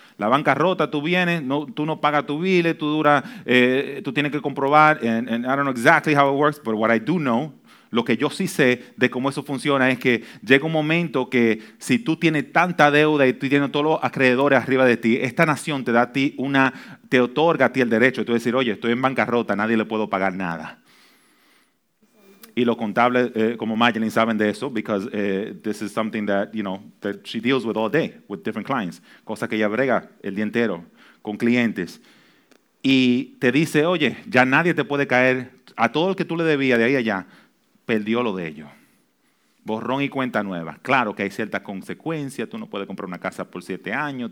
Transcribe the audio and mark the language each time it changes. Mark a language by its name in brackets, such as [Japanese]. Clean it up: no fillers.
[Spanish] La bancarrota, tú vienes, no, tú no pagas tu bile, tú tienes que comprobar, [English] and I don't know exactly how it works, but what I do know, [Spanish] lo que yo sí sé de cómo eso funciona es que llega un momento que si tú tienes tanta deuda y tú tienes todos los acreedores arriba de ti, esta nación te da a ti te otorga a ti el derecho de decir, oye, estoy en bancarrota, nadie le puedo pagar nada. Y los contables como Madeline saben de eso [English] because this is something that, you know, that she deals with all day with different clients. [Spanish] Cosa que ella brega el día entero con clientes. Y te dice, oye, ya nadie te puede caer. A todo el que tú le debías de ahí allá, perdió lo de ellos. Borrón y cuenta nueva. Claro que hay ciertas consecuencias. Tú no puedes comprar una casa por 7 años.